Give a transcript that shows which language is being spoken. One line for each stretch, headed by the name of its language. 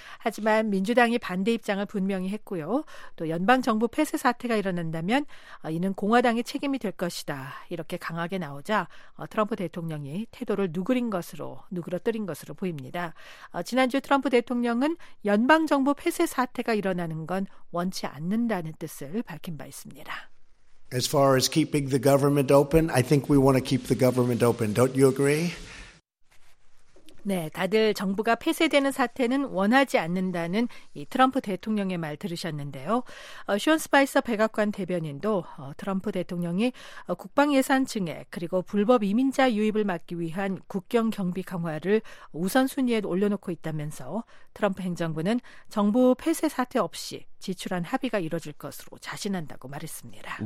Korean: 하지만 민주당이 반대 입장을 분명히 했고요. 또 연방정부 폐쇄 사태가 일어난다면 이는 공화당의 책임이 될 것이다. 이렇게 강하게 나오자 트럼프 대통령이 태도를 누그러뜨린 것으로 보입니다. 지난주 트럼프 대통령은 연방정부 폐쇄 사태가 일어나는 건 원치 않는다는 뜻을 밝힌 바 있습니다.
English: As far as keeping the government open, I think we want to keep the government open. Don't you agree?
Korean: 네, 다들 정부가 폐쇄되는 사태는 원하지 않는다는 이 트럼프 대통령의 말 들으셨는데요. 쇼 스파이서 백악관 대변인도 트럼프 대통령이 국방 예산 증액 그리고 불법 이민자 유입을 막기 위한 국경 경비 강화를 우선순위에 올려놓고 있다면서 트럼프 행정부는 정부 폐쇄 사태 없이 지출한 합의가 이뤄질 것으로 자신한다고 말했습니다.